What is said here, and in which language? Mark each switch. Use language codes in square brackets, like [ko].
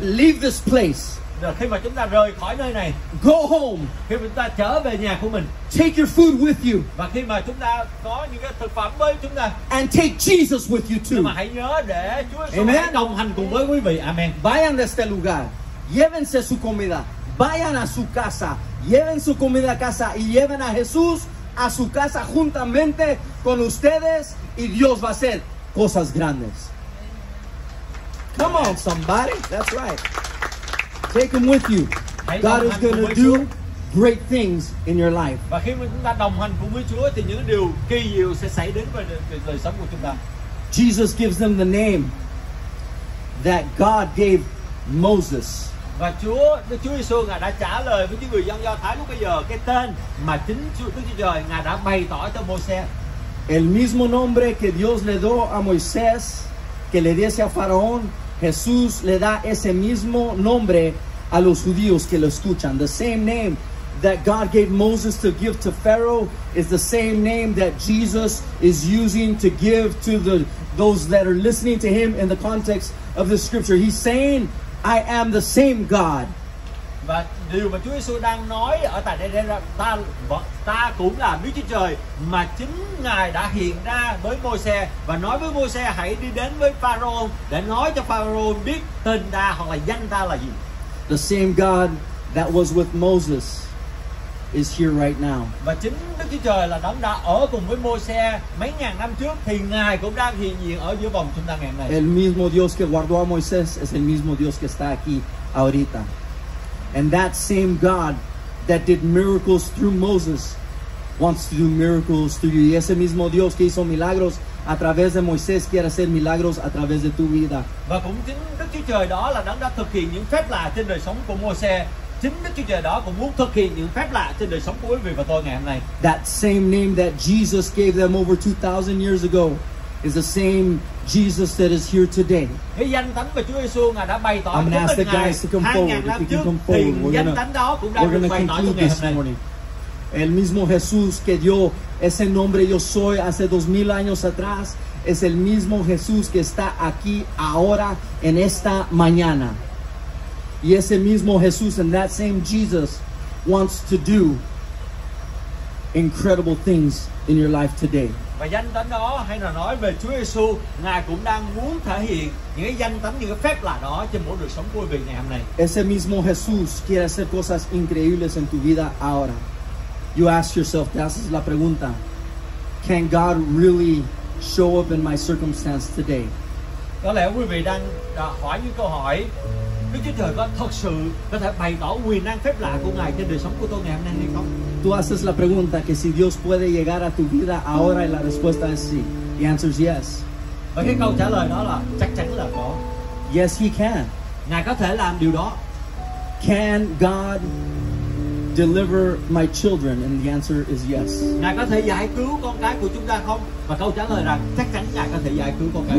[en] Leave this place. [vi] Khi mà chúng ta rời khỏi nơi này, [en] go home. [vi] Khi chúng ta trở về nhà của mình, [en] take your food with you. [vi] Và khi mà chúng ta có những cái thực phẩm với chúng ta, [en] and take Jesus with you too. [vi] Nhưng mà hãy nhớ để Chúa sẽ đồng hành cùng với quý vị. [en] Amen. [es] Vayan de este lugar, llévense su comida. Vayan a su casa, lleven su comida a casa y lleven a Jesús a su casa juntamente con ustedes y Dios va a hacer cosas grandes. [en] Come on, somebody. That's right. Take him with you. God is going to do great things in your life. [vi] Và khi chúng ta đồng hành cùng với Chúa thì những điều kỳ diệu sẽ xảy đến với đời sống của chúng ta. [en] Jesus gives them the name that God gave Moses. [vi] Và Chúa Giêsu Ngài đã trả lời với những người dân Do Thái lúc bây giờ cái tên mà chính Chúa Đức Chúa Trời Ngài đã bày tỏ cho Moses. [es] El mismo nombre que Dios le dio a Moisés que le diese a Faraón. Jesús le da ese mismo nombre a los judíos que lo escuchan. [en] The same name that God gave Moses to give to Pharaoh is the same name that Jesus is using to give to those that are listening to him in the context of the scripture. He's saying, I am the same God. [vi] Và điều mà Chúa Giêsu đang nói ở tại đây là ta cũng là Đức Chúa Trời mà chính Ngài đã hiện ra với Môi-se và nói với Môi-se hãy đi đến với Pharaoh để nói cho Pharaoh biết tên ta hoặc là danh ta là gì. [en] The same God that was with Moses is here right now. [vi] Và chính Đức Chúa Trời là đấng đã ở cùng với Môi-se mấy ngàn năm trước thì Ngài cũng đang hiện diện ở giữa vòng chúng ta ngày hôm nay. [es] El mismo Dios que guardó a Moisés es el mismo Dios que está aquí ahorita. [en] And that same God that did miracles through Moses wants to do miracles through you. [es] Y ese mismo Dios que hizo milagros a través de Moisés quiere hacer milagros a través de tu vida. [vi] Và cũng chính Đức Chúa Trời đó là đấng đã thực hiện những phép lạ trên đời sống của Moses. Chính Đức Chúa Trời đó cũng muốn thực hiện những phép lạ trên đời sống của quý vị và tôi ngày hôm nay. [en] That same name that Jesus gave them over 2,000 years ago is the same Jesus that is here today. [vi] Cái danh thánh của Chúa Giêsu ngài đã bày tỏ. [en] I'm gonna ask the guys to come forward. If you can come forward, we're gonna conclude this morning. [es] El mismo Jesús que dio ese nombre yo soy hace 2,000 años atrás es el mismo Jesús que está aquí ahora en esta mañana. Y ese mismo Jesús, [en] and that same Jesus, wants to do incredible things in your life today. [vi] Và danh thánh đó hay là nói về Chúa Giêsu, ngài cũng đang muốn thể hiện những cái danh thánh, những cái phép lạ đó trên mỗi đời sống của mình ngày hôm nay. [es] Ese mismo Jesús quiere hacer cosas increíbles en tu vida ahora. [en] You ask yourself, [es] te haces la pregunta, [en] can God really show up in my circumstance today? [vi] Có lẽ quý vị đang hỏi những câu hỏi, Đức Chúa Trời có thật sự có thể bày tỏ quyền năng phép lạ của ngài trên đời sống của tôi ngày hôm nay hay không? [es] Tú haces la pregunta que si Dios puede llegar a tu vida ahora y la respuesta es sí. [en] The answer is yes. [vi] Và cái câu trả lời đó là chắc chắn là có. [en] Yes, he can. [vi] Ngài có thể làm điều đó. [en] Can God deliver my children? And the answer is yes. [vi] Ngài có thể giải cứu con cái của chúng ta không? Và câu trả lời là chắc chắn ngài có thể giải cứu con cái.